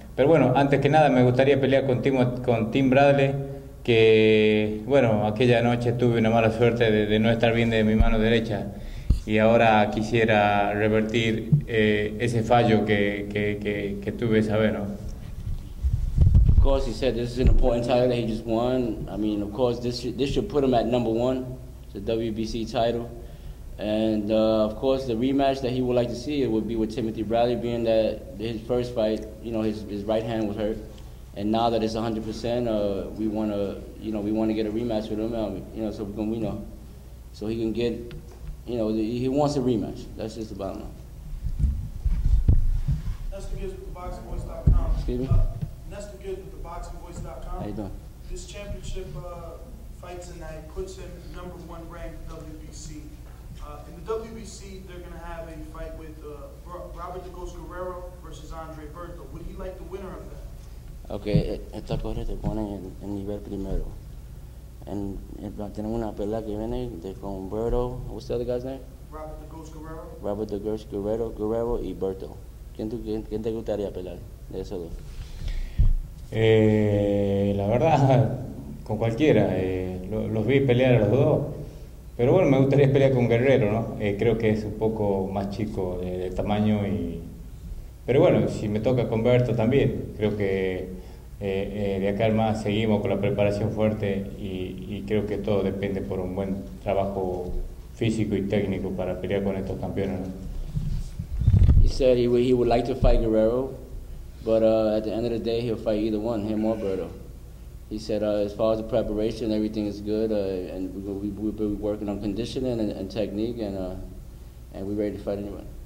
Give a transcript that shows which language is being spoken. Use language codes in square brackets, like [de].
[es] Pero bueno, antes que nada me gustaría pelear con Tim Bradley, que bueno, aquella noche tuve una mala suerte de no estar bien de mi mano derecha y ahora quisiera revertir ese fallo que tuve esa vez, ¿no? [en] Of course, he said this is an important title that he just won. I mean, of course, this should put him at number one, the WBC title. And of course, the rematch that he would like to see it would be with Timothy Bradley, being that his first fight, you know, his right hand was hurt, and now that it's 100%, we want to get a rematch with him, you know, so he can get, you know, he wants a rematch. That's just the bottom line. Nestor Gibbs with theboxingvoice.com. Excuse me. Nestor Gibbs with theboxingvoice.com. How you doing? This championship fight tonight puts him number one ranked WBC. In the WBC, they're going to have a fight with Robert De Ghost Guerrero versus Andre Berto. Would he like the winner of that? [es] Okay, esta corre te pone en nivel primero. And tenemos una pelea que viene de con Berto. [en] What's the other guy's name? Robert De Ghost Guerrero. [es] Robert De Ghost Guerrero y Berto. ¿Quién te gustaría pelear de esos dos? La verdad, con cualquiera. Los vi pelear a los dos. Pero bueno, me gustaría pelear con Guerrero, ¿no? Creo que es un poco más chico de tamaño y... Pero bueno, si me toca con Berto también, creo que de acá al más seguimos con la preparación fuerte y creo que todo depende por un buen trabajo físico y técnico para pelear con estos campeones, ¿no? [en] He said he would like to fight Guerrero, but at the end of the day he'll fight either one, him or Berto. He said, as far as the preparation, everything is good, and we've been working on conditioning and technique, and we're ready to fight anyway.